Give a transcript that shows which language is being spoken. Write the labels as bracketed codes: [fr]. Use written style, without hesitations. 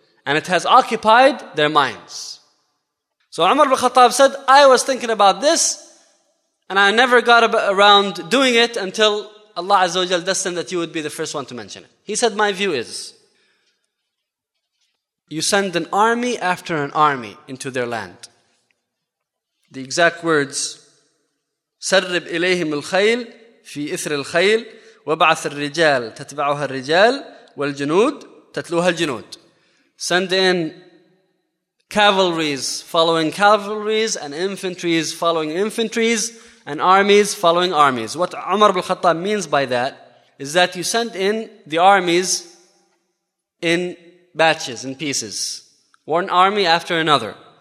[en] And it has occupied their minds. So Umar ibn Khattab said, I was thinking about this and I never got around doing it until Allah Azza wa Jal destined that you would be the first one to mention it. He said, my view is, you send an army after an army into their land. The exact words, [ar] سَرِّبْ إِلَيْهِمُ الْخَيْلِ فِي إِثْرِ الْخَيْلِ وَبَعَثِ الرِّجَالِ تَتْبَعُهَا الرِّجَالِ وَالْجُنُودِ تَتْلُوهَا الْجُنُودِ. [en] Send in cavalries following cavalries and infantries following infantries and armies following armies. What Umar ibn Khattab means by that is that you send in the armies in batches and pieces, one army after another.